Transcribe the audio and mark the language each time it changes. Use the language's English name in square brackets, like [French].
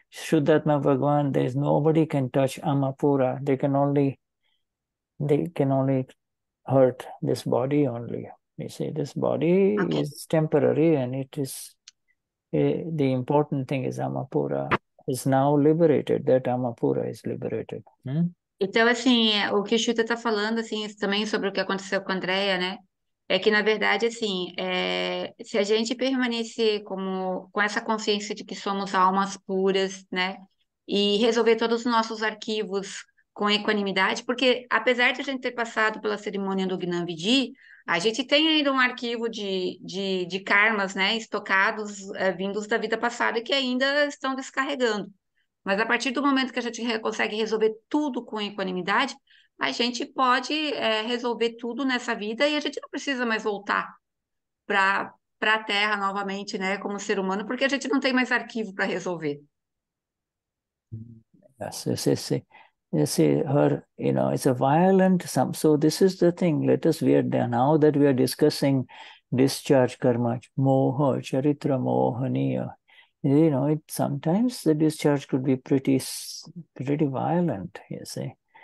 [English] Shuddhatma Bhagwan, there's nobody can touch Amapura. They can only hurt this body only. You see, this body Okay. is temporary and it is. The important thing is Amapura is now liberated, that Amapura is liberated. [Portuguese] Então, assim, o que o Chuta está falando, assim, também sobre o que aconteceu com a Andrea, né? É que, na verdade, assim, se a gente permanecer com essa consciência de que somos almas puras, né? E resolver todos os nossos arquivos com equanimidade, porque apesar de a gente ter passado pela cerimônia do Gnanvidi, a gente tem ainda um arquivo de karmas, né? Estocados, vindos da vida passada, que ainda estão descarregando. Mas a partir do momento que a gente consegue resolver tudo com equanimidade, a gente pode resolver tudo nessa vida e a gente não precisa mais voltar para a Terra novamente, né, como ser humano, porque a gente não tem mais arquivo para resolver. [English] Yes, her, you know, it's a violent sum. So this is the thing. Let us, we are there now that we are discussing discharge karma, moha, charitra, mohaniya. You know, it sometimes the discharge could be pretty violent, you see.